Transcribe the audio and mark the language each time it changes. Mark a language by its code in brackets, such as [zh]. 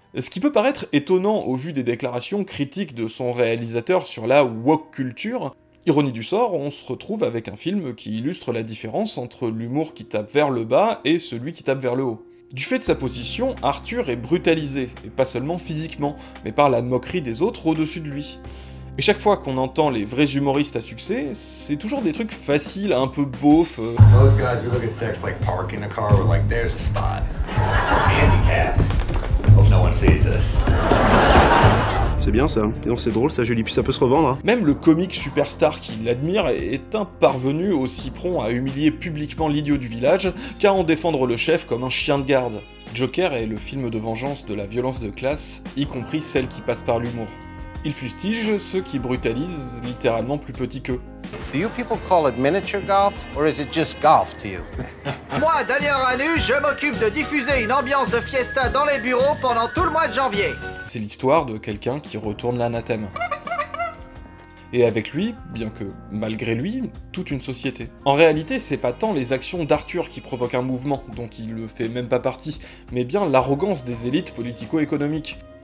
[fr] Ce qui peut paraître étonnant au vu des déclarations critiques de son réalisateur sur la woke culture, ironie du sort, on se retrouve avec un film qui illustre la différence entre l'humour qui tape vers le bas et celui qui tape vers le haut. Du fait de sa position, Arthur est brutalisé, et pas seulement physiquement, mais par la moquerie des autres au-dessus de lui. Et chaque fois qu'on entend les vrais humoristes à succès, c'est toujours des trucs faciles, un peu beaufs. [en] Those guys who look at sex like parking a car, we're like, there's a spot. Handicapped. Hope no one sees this. [fr] C'est bien ça, et non, c'est drôle, ça joli, puis ça peut se revendre. Hein. Même le comique superstar qui l'admire est un parvenu aussi prompt à humilier publiquement l'idiot du village qu'à en défendre le chef comme un chien de garde. Joker est le film de vengeance de la violence de classe, y compris celle qui passe par l'humour. Il fustige ceux qui brutalisent littéralement plus petits qu'eux. [en] Do you people call it miniature golf, or is it just golf to you? [fr] Moi, Daniel Ranu, je m'occupe de diffuser une ambiance de fiesta dans les bureaux pendant tout le mois de janvier. C'est l'histoire de quelqu'un qui retourne l'anathème. Et avec lui, bien que malgré lui, toute une société. En réalité, c'est pas tant les actions d'Arthur qui provoquent un mouvement, dont il ne fait même pas partie, mais bien l'arrogance des élites politico-économiques.